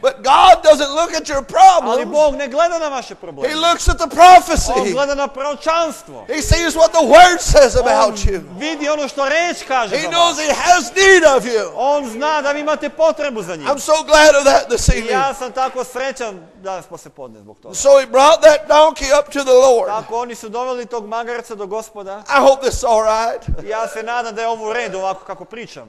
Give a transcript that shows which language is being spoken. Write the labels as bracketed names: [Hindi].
[English] But God doesn't look at your problems. [Serbian] Ali Bog ne gleda na vaše probleme. [English] He looks at the prophecy. [Serbian] On gleda na proročanstvo. [English] He sees what the word says about you. [Serbian] Vidi ono što reč kaže. [English] He knows he has need of you. [Serbian] On zna da vi imate potrebu za njim. [English] I'm so glad of that this evening. [Serbian] Ja sam tako srećan danas posle podne zbog toga. [English] So he brought that donkey up to the Lord. [Serbian] Tako oni su doveli tog magarca do Gospoda. [English] I hope this is all right. [Serbian] Ja se nadam da je ovo u redu ovako kako pričam.